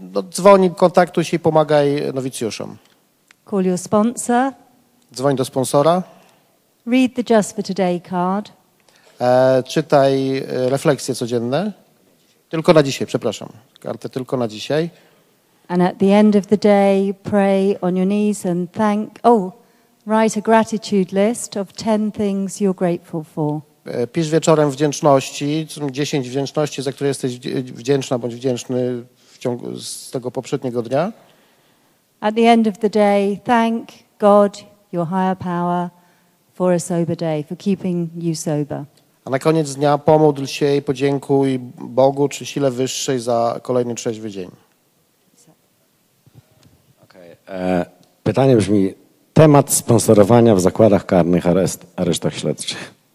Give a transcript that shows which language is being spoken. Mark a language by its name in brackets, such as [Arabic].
[Polish] Dzwoni, kontaktuj się i pomagaj nowicjuszom. [English] Call your sponsor. [Polish] Dzwoń do sponsora. [English] Read the Just for Today card. [Polish] Czytaj refleksje codzienne. Tylko na dzisiaj, przepraszam. Kartę tylko na dzisiaj. [English] And at the end of the day, pray on your knees and thank. Oh, write a gratitude list of 10 things you're grateful for. [Polish] pisz wieczorem wdzięczności, 10 wdzięczności, za które jesteś wdzięczna bądź wdzięczny w ciągu z tego poprzedniego dnia. [English] At the end of the day, thank God, your higher power, for a sober day, for keeping you sober. [Polish] A na koniec dnia pomódl się i podziękuj Bogu czy sile wyższej za kolejny trzeźwy dzień. [English] Okay. [Polish] Pytanie brzmi, temat sponsorowania w zakładach karnych, aresztach śledczych.